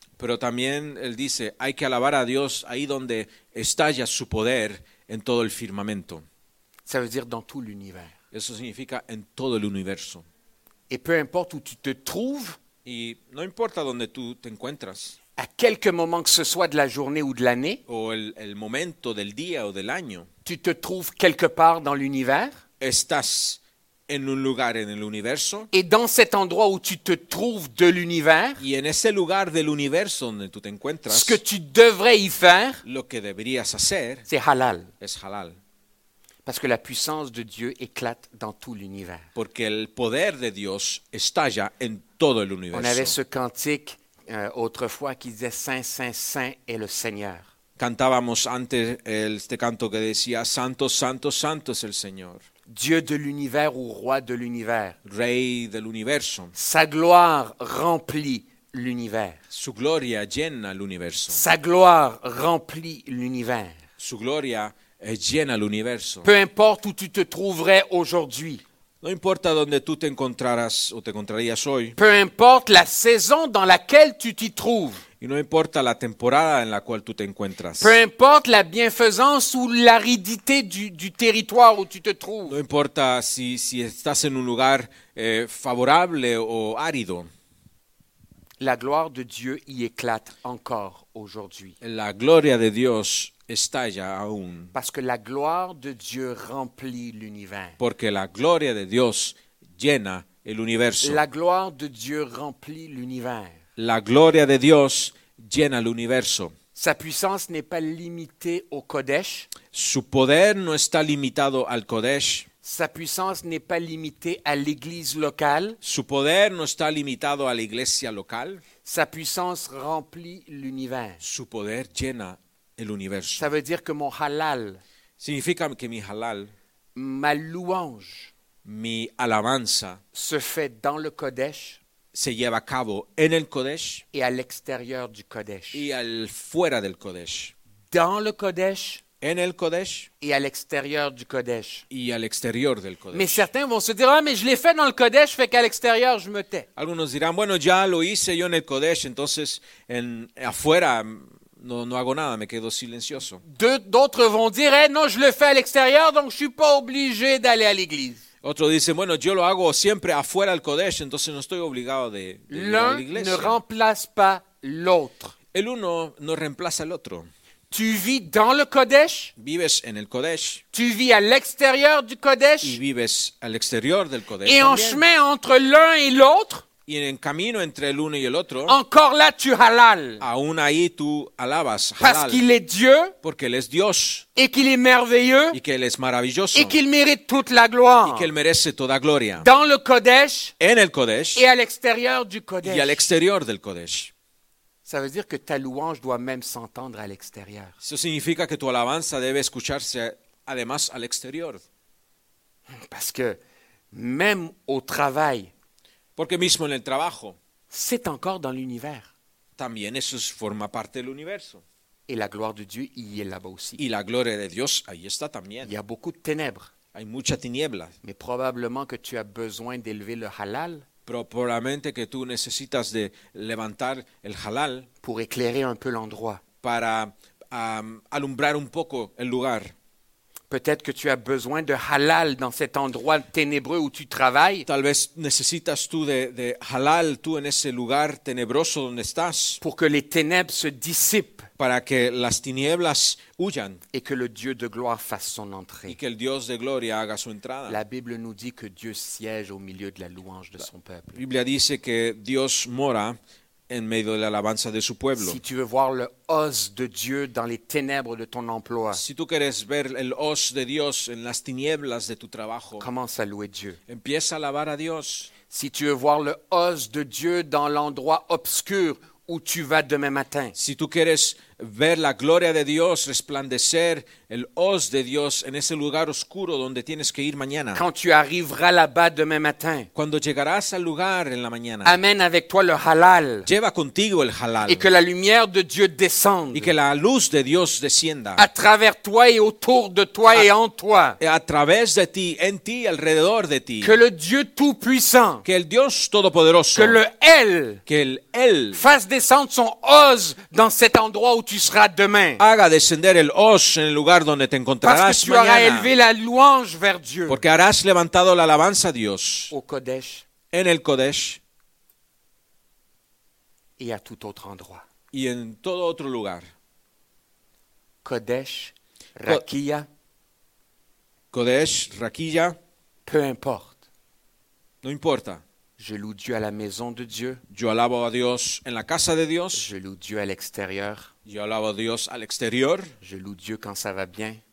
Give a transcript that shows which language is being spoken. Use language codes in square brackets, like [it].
[es] Pero también él dice: hay que alabar a Dios ahí donde estalla su poder en todo el firmamento. [fr] Ça veut dire dans tout l'univers. [es] Eso significa en todo el universo. [fr] Et peu importe où tu te trouves, [es] y no importa donde tú te encuentras, [fr] à quelque moment que ce soit de la journée ou de l'année, [es] o el momento del día o del año, [fr] tu te trouves quelque part dans l'univers, [es] estás en un lugar en el universo, [fr] et dans cet endroit où tu te trouves de l'univers, [es] y en ese lugar del universo donde tú te encuentras, [fr] ce que tu devrais y faire, [es] lo que deberías hacer, [fr] c'est halal. [es] Es halal. [fr] Parce que la puissance de Dieu éclate dans tout l'univers. [es] Porque el poder de Dios estalla en todo el universo. [fr] On avait ce cantique autrefois qui disait Saint, Saint, Saint est le Seigneur. [es] Cantábamos antes este canto que decía Santo, Santo, Santo es el Señor. [fr] Dieu de l'univers ou roi de l'univers. [es] Rey del universo. [fr] Sa gloire remplit l'univers. [es] Su gloria llena l'universo. [fr] Sa gloire remplit l'univers. [es] Su gloria [fr] est bien à [es] l'universo. [fr] Peu importe où tu te trouverais aujourd'hui. [es] No importa donde tú te encontrarás o te encontrarías hoy. [fr] Peu importe la saison dans laquelle tu t'y trouves. [es] Y no importa la temporada en la cual tú te encuentras. [fr] Peu importe la bienfaisance ou l'aridité du territoire où tu te trouves. [es] No importa si estás en un lugar favorable o árido. [fr] La gloire de Dieu y éclate encore aujourd'hui. [es] La gloria de Dios estalla aún. [fr] Parce que la gloire de Dieu remplit l'univers. [es] Porque la gloria de Dios llena el universo. [fr] La gloire de Dieu remplit l'univers. [es] La gloria de Dios llena el universo. [fr] Sa puissance n'est pas limitée au Kodesh. [es] Su poder no está limitado al Kodesh. [fr] Sa puissance n'est pas limitée à l'église locale. [es] Su poder no está limitado a la iglesia local. [fr] Sa puissance remplit l'univers. [es] Su poder llena el universo. [fr] Ça veut dire que mon halal, [es] significa que mi halal, [fr] ma louange, [es] mi alabanza, [fr] se fait dans le Kodesh, [es] se lleva a cabo en el Kodesh, [fr] et à l'extérieur du Kodesh, [es] y al fuera del Kodesh, [fr] dans le Kodesh, [es] en el Kodesh, [fr] et à l'extérieur du Kodesh, [es] y al exterior del Kodesh. [fr] Mais certains vont se dire, ah, mais je l'ai fait dans le Kodesh, fait qu'à l'extérieur je me tais. [es] Algunos dirán, bueno, ya lo hice yo en el Kodesh, entonces en afuera No hago nada, me quedo silencioso. [fr] D'autres vont dire, hey, non, je le fais à l'extérieur, donc je suis pas obligé d'aller à l'église. [es] Otro dice, bueno, yo lo hago siempre afuera del Kodesh, entonces no estoy obligado de [fr] l'un [es] ir a la iglesia. [fr] Ne remplace pas l'autre. [es] El uno no reemplaza al otro. [fr] Tu vis dans le Kodesh. [es] Vives en el Kodesh. [fr] Tu vis à l'extérieur du Kodesh. [es] Y vives al exterior del Kodesh. [fr] Et [es] también. [fr] En chemin entre l'un et l'autre. [es] Y en camino entre el uno y el otro. [fr] Encore là tu halal. [es] Aún ahí tú alabas halal. [fr] Parce qu'il est Dieu. [es] Porque él es Dios. [fr] Et qu'il est merveilleux. [es] Y que él es maravilloso. [fr] Et qu'il mérite toute la gloire. [es] Y que él merece toda gloria. [fr] Dans le Kodesh. [es] En el Kodesh. [fr] Et à l'extérieur du Kodesh. [es] Y al exterior del Kodesh. [fr] Ça veut dire que ta louange doit même s'entendre à l'extérieur. [es] Eso significa que tu alabanza debe escucharse además al exterior. [fr] Parce que même au travail. [es] Porque mismo en el trabajo. [fr] C'est encore dans l'univers. [es] También eso forma parte del universo. [fr] Et la gloire de Dieu y est là-bas aussi. [es] Y la gloria de Dios ahí está también. [fr] Il y a beaucoup de ténèbres. [es] Hay mucha tiniebla. [fr] Mais probablement que tu as besoin d'élever le halal. [es] Probablemente que tú necesitas de levantar el halal. [fr] Pour éclairer un peu l'endroit. [es] Para alumbrar un poco el lugar. [fr] Peut-être que tu as besoin de halal dans cet endroit ténébreux où tu travailles. [es] Tal vez necesitas tú de halal tú en ese lugar tenebroso donde estás. [fr] Pour que les ténèbres se dissipent. [es] Para que las tinieblas huyan. [fr] Et que le Dieu de gloire fasse son entrée. [es] Y que el Dios de gloria haga su entrada. [fr] La Bible nous dit que Dieu siège au milieu de la louange de son peuple. [es] La Biblia dice que Dios mora en medio de la alabanza de su pueblo. [fr] Si tu veux voir le os de Dieu dans les ténèbres de ton emploi. [es] Si tú quieres ver el os de Dios en las tinieblas de tu trabajo. [fr] Commence à louer Dieu. [es] Empieza a alabar a Dios. [fr] Si tu veux voir le os de Dieu dans l'endroit obscur où tu vas demain matin. [es] Si tú quieres ver la gloria de Dios resplandecer, el os de Dios en ese lugar oscuro donde tienes que ir mañana. [fr] Quand tu arriveras là-bas demain matin. [es] Cuando llegarás al lugar en la mañana. [fr] Amène avec toi le halal. [es] Lleva contigo el halal. [fr] Et que la lumière de Dieu descende. [es] Y que la luz de Dios descienda. [fr] À travers toi et autour de toi et en toi. [es] A través de ti, en ti, alrededor de ti. [fr] Que le Dieu tout-puissant. [es] Que el Dios todopoderoso. [fr] Que le El. [es] Que el El. [fr] Fasse descendre son os dans cet endroit où tu seras demain. [es] Haga descender el os en el lugar donde te encontrarás mañana. [fr] Parce que tu auras élevé la louange vers Dieu. [es] Porque harás levantado la alabanza a Dios. [fr] Au Kodesh. [es] En el Kodesh. [fr] Et à tout autre endroit. [es] Y en todo otro lugar. [he] Kodesh, Rakia. Kodesh, Rakia. [fr] Peu importe. [es] No importa. [fr] Je loue Dieu à la maison de Dieu. [es] Yo alabo a Dios en la casa de Dios. [fr] Je loue Dieu à l'extérieur. [es] Yo alabo a Dios al exterior. [fr] Je loue Dieu quand ça va bien.